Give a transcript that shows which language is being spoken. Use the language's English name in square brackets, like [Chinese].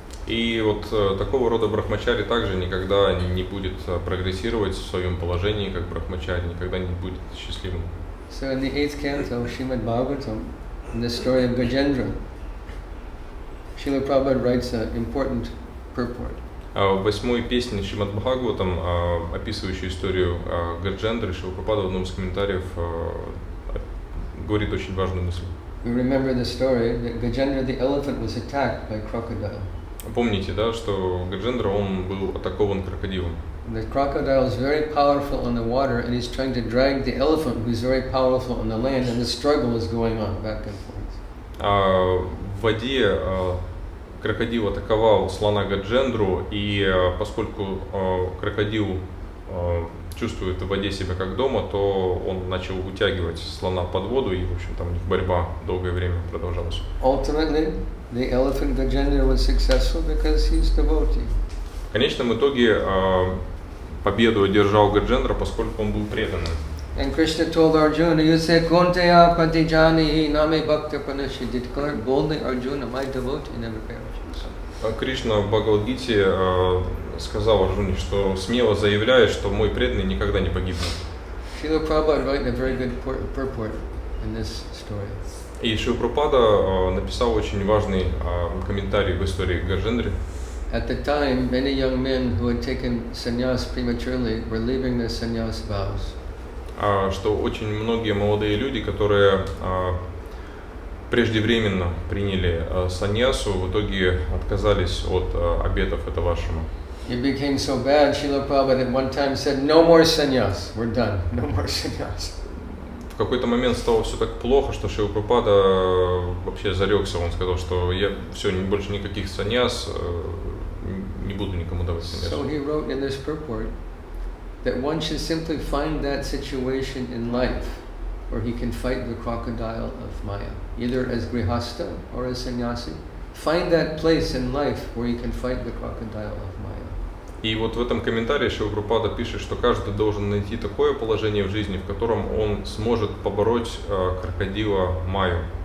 [Russian] И вот такого рода брахмачари также никогда не будет прогрессировать в своем положении, как брахмачари, никогда не будет счастливым. [English] So in the 8th canto of Srimad Bhagavatam, in the story of Gajendra, Srila Prabhupada writes an important purport. [Russian] В восьмой песне Шримад Бхагаватам, описывающей историю Гарджендры, Шрила Прабхупада в одном из комментариев говорит очень важную мысль. [English] We remember the story that Gajendra the elephant was attacked by crocodile. [Russian] Помните, да, что Гарджендра, он был атакован крокодилом. [English] The crocodile is very powerful on the water and he's trying to drag the elephant who is very powerful on the land and the struggle is going on back and forth. [Russian] В воде крокодил атаковал слона Гаджендру, и поскольку крокодил чувствует в воде себя как дома, то он начал утягивать слона под воду, и, в общем, там у них борьба долгое время продолжалась. [English] Ultimately, the elephant Gajendra was successful because he's devotee. [Russian] В конечном итоге победу одержал Гаджендра, поскольку он был преданным. [English] And Krishna told Arjuna, you say, [Sanskrit] Kunteya Patijanihi Name Bhakta Panashi, [English] declare boldly, Arjuna, my devotee never perishes. [Russian] Кришна в Бхагавадгите сказал Арджуне, что смело заявляет, что мой преданный никогда не погибнет. [English] Srila Prabhupada wrote a very good purport in this story. [Russian] И Шрила Прабхупада написал очень важный комментарий в истории Гарджендры. [English] At the time, many young men who had taken sannyas prematurely were leaving their sannyas vows. [Russian] Что очень многие молодые люди, которые преждевременно приняли саньясу, в итоге отказались от обетов этого ашрама. [English] It became so bad, Srila Prabhupada at one time said, no more sannyas, we're done, no more sannyas. [Russian] В какой-то момент стало все так плохо, что Шрила Прабхупада вообще зарекся, он сказал, что я все, больше никаких саньяс, не буду никому давать саньясу. [English] So he wrote in this purport, that one should simply find that situation in life where he can fight the crocodile of Maya, either as grihastha or as sannyasi. Find that place in life where he can fight the crocodile of Maya. [Russian] И вот в этом комментарии Шрила Прабхупада пишет, что каждый должен найти такое положение в жизни, в котором он сможет побороть крокодила Майю.